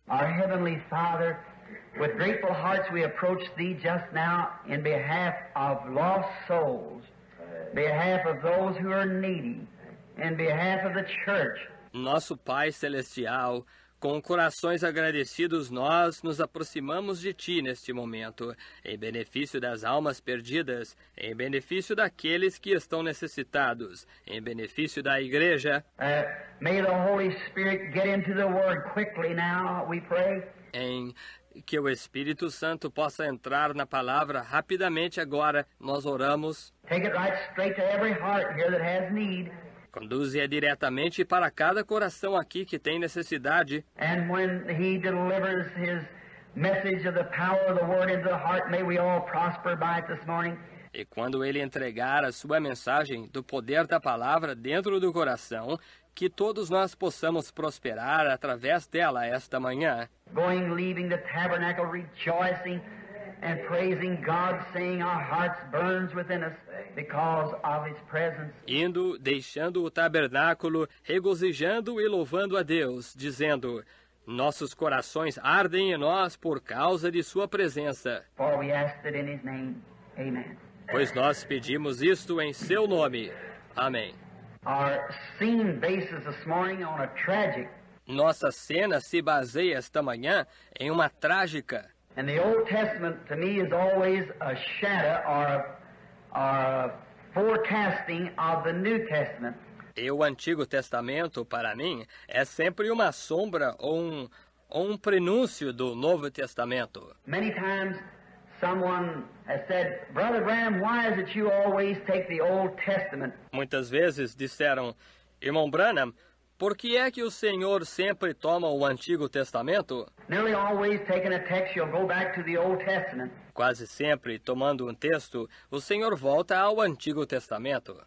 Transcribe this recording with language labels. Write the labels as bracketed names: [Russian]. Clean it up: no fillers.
[English] Our Heavenly Father, with grateful hearts we approach thee just now in behalf of lost souls, behalf of those who are needy. In behalf of the church. [Portuguese] Nosso Pai Celestial, com corações agradecidos, nós nos aproximamos de Ti neste momento, em benefício das almas perdidas, em benefício daqueles que estão necessitados, em benefício da Igreja. [English] May the Holy Spirit get into the Word quickly now, we pray. [Portuguese] Em que o Espírito Santo possa entrar na Palavra rapidamente agora, nós oramos. [English] Take it right straight to every heart here that has need. [Portuguese] Conduze-a diretamente para cada coração aqui que tem necessidade. [English] And when he delivers his message of the power of the word into the heart, may we all prosper by it this morning. [Portuguese] E quando ele entregar a sua mensagem do poder da palavra dentro do coração, que todos nós possamos prosperar através dela esta manhã. [English] Going, leaving the tabernacle, rejoicing and praising God, saying our hearts burns within us. Because of his presence. [Portuguese] Indo, deixando o tabernáculo, regozijando e louvando a Deus, dizendo, Nossos corações ardem em nós por causa de sua presença. [English] For we ask it in his name. Amen. [Portuguese] Pois nós pedimos isto em seu nome. Amém. [English] Our scene bases this morning on a tragic. [Portuguese] Nossa cena se baseia esta manhã em uma trágica. [English] And the Old Testament to me is always a shadow or a forecasting of the New Testament. [Portuguese] E o Antigo Testamento, para mim, é sempre uma sombra ou um prenúncio do Novo Testamento. [English] Many times someone has said, Brother Branham, why is it you always take the Old Testament? [Portuguese] Muitas vezes disseram, Irmão Branham, por que é que o Senhor sempre toma o Antigo Testamento? [English] Nearly always taking a text, you'll go back to the Old Testament. [Portuguese] Quase sempre, tomando um texto, o Senhor volta ao Antigo Testamento.